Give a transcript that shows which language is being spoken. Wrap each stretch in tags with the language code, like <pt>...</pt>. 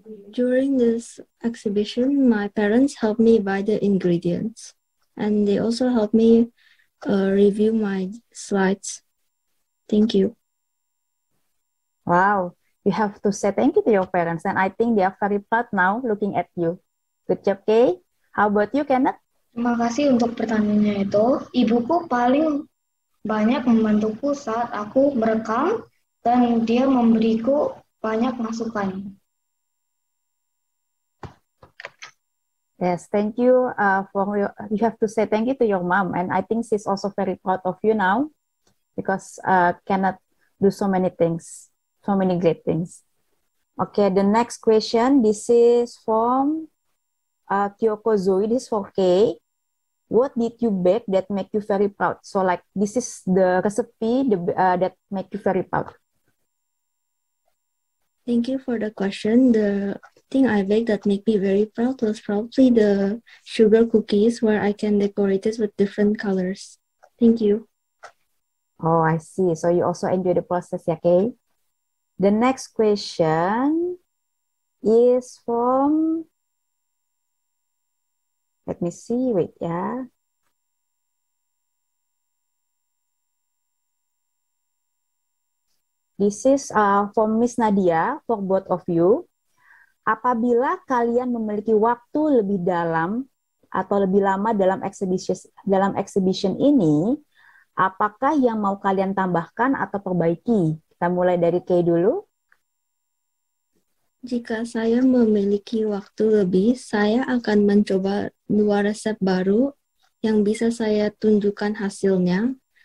<en>During this exhibition, my parents helped me buy the ingredients. And they also helped me review my slides. Thank you. Wow, you have to say thank you to your parents. And I think they are very proud now looking at you. Good job, Kay. How about you, Kenneth?</en> <id>Terima kasih untuk pertanyaannya itu. Ibuku paling banyak membantuku saat aku merekam dan dia memberiku banyak masukan.</id> <en>Yes, thank you. You have to say thank you to your mom. And I think she's also very proud of you now because cannot do so many things, so many great things. Okay, the next question. This is from Kyoko Zoe. This is for Kay. What did you bake that make you very proud? So like this is the recipe that make you very proud. Thank you for the question. The thing I baked that make me very proud was probably the sugar cookies where I can decorate it with different colors. Thank you. Oh, I see. So you also enjoy the process, yeah, Kay? The next question is from... Let me see, wait, yeah. This is from Miss Nadia, for both of you.</en> <id>Apabila kalian memiliki waktu lebih dalam atau lebih lama dalam exhibition ini, apakah yang mau kalian tambahkan atau perbaiki? Kita mulai dari Kay dulu. Jika saya memiliki waktu lebih, saya akan mencoba dua resep baru yang bisa saya tunjukkan hasilnya.</id>